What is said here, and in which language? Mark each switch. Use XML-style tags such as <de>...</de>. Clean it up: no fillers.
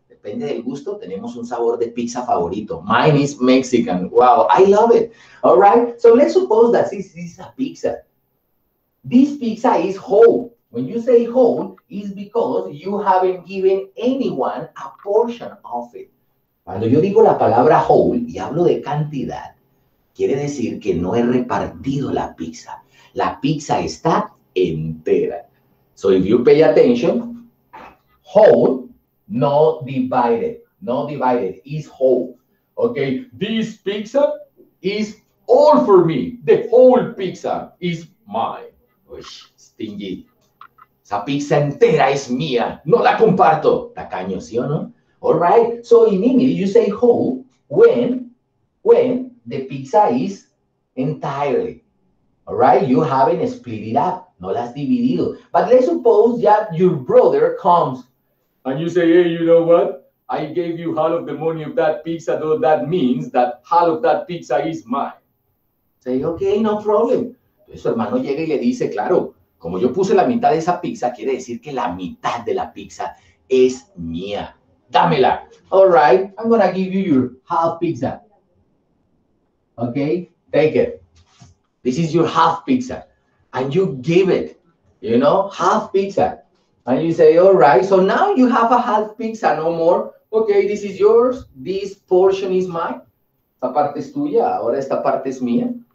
<es>Depende del gusto, tenemos un sabor de pizza favorito.</es> <en>Mine is Mexican. Wow, I love it. All right, so let's suppose that this is a pizza. This pizza is whole. When you say whole, it's because you haven't given anyone a portion of it.</en> <es>Cuando yo digo la palabra whole y hablo de cantidad, quiere decir que no he repartido la pizza. La pizza está entera.</es> <en>So if you pay attention, whole, no divided, is whole. Okay, this pizza is all for me. The whole pizza is mine. Uy, stingy.</en> <es>Esa pizza entera es mía. No la comparto. Tacaño, ¿sí o no?</es> <en>All right. So in English, you say whole when the pizza is entirely. All right. You haven't split it up.</en> <es>No la has dividido.</es> <en>But let's suppose that your brother comes and you say, hey, you know what? I gave you half of the money of that pizza, though that means that half of that pizza is mine. Say, okay, no problem.</en> <es>Entonces, su hermano llega y le dice, claro, como yo puse la mitad de esa pizza, quiere decir que la mitad de la pizza es mía. Dámela.</es> <en>All right, I'm going to give you your half pizza. Okay, take it. This is your half pizza. And you give it, you know, half pizza. And you say, all right, so now you have a half pizza, no more. Okay, this is yours. This portion is mine.</en> <es>Esta parte es tuya, ahora esta parte es mía.</es>